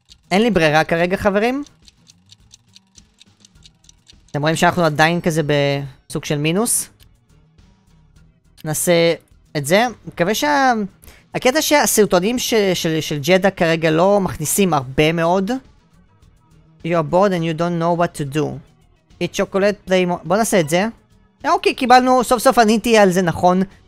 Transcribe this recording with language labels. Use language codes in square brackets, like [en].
[he] אין לי ברירה כרגע, חברים. אתם רואים שאנחנו עדיין כזה בסוג של מינוס? נעשה את זה. מקווה הקטע שהסרטונים של ג'דה כרגע לא מכניסים הרבה מאוד. [en] You are bored and you don't know what to do. Eat chocolate, play more. [he] בוא נעשה את זה. אוקיי, קיבלנו, סוף סוף עניתי על זה נכון.